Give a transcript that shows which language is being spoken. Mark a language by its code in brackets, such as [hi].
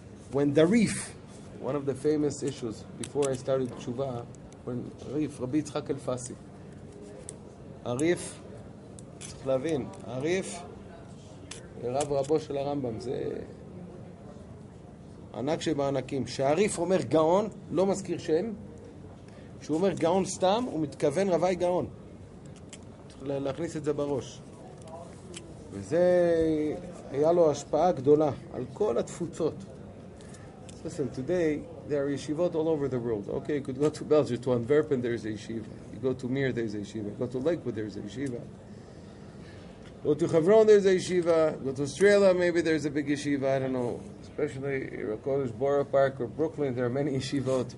[en] When the Rif, one of the famous issues, before I started tshuva, when Rif, Rabbi Yitzchak Elfasi, Arif, Tzachlavin, Arif, Rav Rabo Shel Rambam, [he] זה ענק שבענקים, שהריף אומר גאון, לא מזכיר שם, שהוא אומר גאון סתם, הוא מתכוון רבי גאון. צריך להכניס את זה בראש. וזה היה לו השפעה גדולה על כל התפוצות. [en] Listen, today there are yeshivot all over the world. Okay, you could go to Belgium, to Antwerpen, there is a yeshiva. You go to Mir, there is a yeshiva. You go to Lakewood, there is a yeshiva. Go to Hebron, there is a yeshiva. Go to Australia, maybe there is a big yeshiva. I don't know. Especially in Rakodesh Borough Park or Brooklyn, there are many yeshivot.